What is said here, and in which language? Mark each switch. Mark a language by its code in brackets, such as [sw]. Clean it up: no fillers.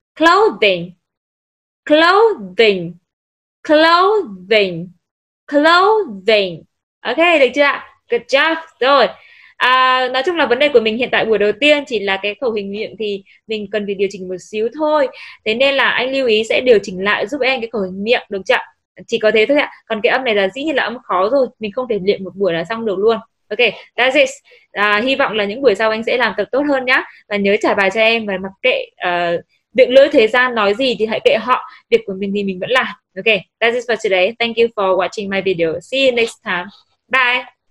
[en] Clothing, Clothing, Clothing, Clothing. [vi] Ok, được chưa? [en] Good job. [vi] Rồi. À, nói chung là vấn đề của mình hiện tại buổi đầu tiên chỉ là cái khẩu hình miệng thì mình cần phải điều chỉnh một xíu thôi. Thế nên là anh lưu ý sẽ điều chỉnh lại giúp em cái khẩu hình miệng được chưa? Chỉ có thế thôi ạ. Còn cái âm này là dĩ nhiên là âm khó rồi, mình không thể luyện một buổi là xong được luôn. [en] Ok, that's it. [vi] À, hy vọng là những buổi sau anh sẽ làm thật tốt hơn nhá. Và nhớ trả bài cho em và mặc kệ miệng lưỡi thế gian nói gì thì hãy kệ họ. Việc của mình thì mình vẫn làm. [en] Ok, that's it for today. Thank you for watching my video. See you next time. Bye.